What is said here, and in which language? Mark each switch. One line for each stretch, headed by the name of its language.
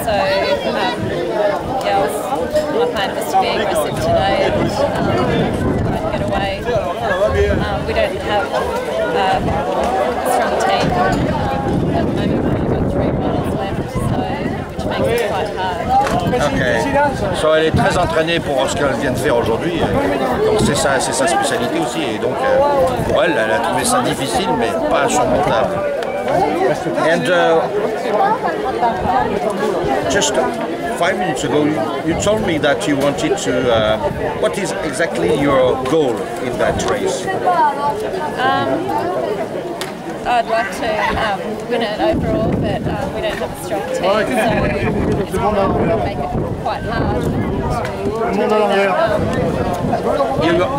English: My plan was to be aggressive today and try to get away. We don't have a strong team at the moment. We've got 3 miles left, which makes it quite hard.
French: Ok, so elle est très entraînée pour ce qu'elle vient de faire aujourd'hui, donc c'est sa spécialité aussi, et donc pour elle, elle a trouvé ça difficile mais pas surmontable.
English: And just 5 minutes ago, you told me that you wanted to, what is exactly your goal in that race? I'd like to win it overall, but we don't have a strong team, so it's going to make it quite hard to do that.